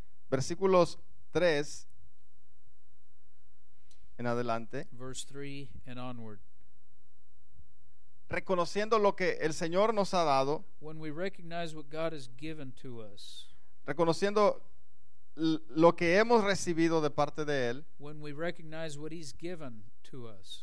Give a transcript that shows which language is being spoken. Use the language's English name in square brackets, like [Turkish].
[Spanish] Versículos 3 en adelante. [English] Verse 3 and onward. [Spanish] reconociendo lo que el Señor nos ha dado, [English] when we recognize what God has given to us, [Spanish] reconociendo lo que hemos recibido de parte de Él, [English] when we recognize what He's given to us,